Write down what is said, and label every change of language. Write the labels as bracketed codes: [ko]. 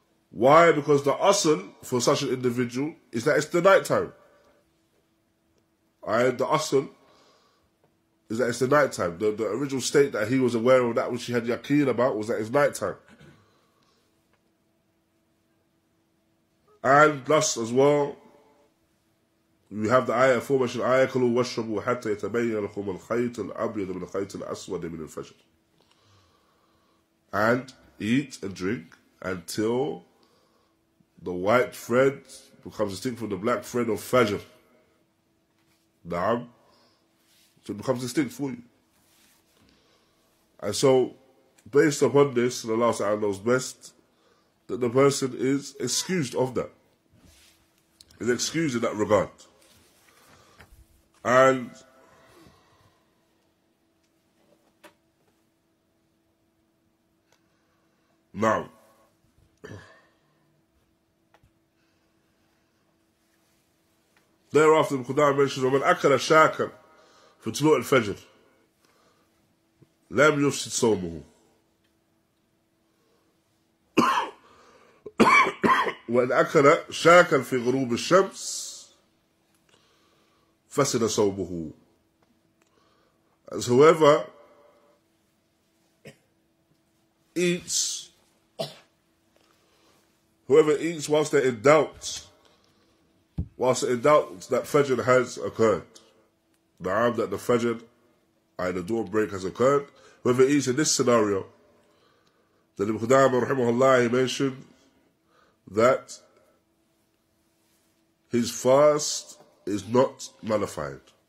[en] Why? Because the asl for such an individual is that it's the night time. Right? The asl is that it's the night time. The original state that he was aware of, that which he had yaqeen about, was that it's night time. And thus as well, we have the ayah, aforementioned ayah, [ar] كُلُوا وَشْرَبُوا حَتَّى يَتَبَيَّنَ لَكُمُ الْخَيْطُ الْأَبْيَضُ مِنَ الْخَيْطِ الْأَسْوَدِ مِنَ الْفَجْرِ. [en] And eat and drink until the white thread becomes distinct from the black thread of Fajr. Naam. So it becomes distinct for you. And so, based upon this, and Allah Ta'ala knows best, that the person is excused of that. Is excused in that regard. And now, thereafter, Qudam mentions, [ar] وَمَنْ أَكَلَ شَاكًا فِي تُلُوءِ الْفَجْرِ لَمْ يُفْسِدْ صَوْمُهُ وَإِنْ أَكَلَ شَاكًا فِي غُرُوبِ الشَّمْسِ فَسِدَ صَوْمُهُ. [en] As whoever eats, whilst they're in doubt, that Fajr has occurred, that the Fajr, the dawn break has occurred, whoever eats in this scenario, then Ibn Qudamah, rahimahullah, he mentioned that his fast is not nullified.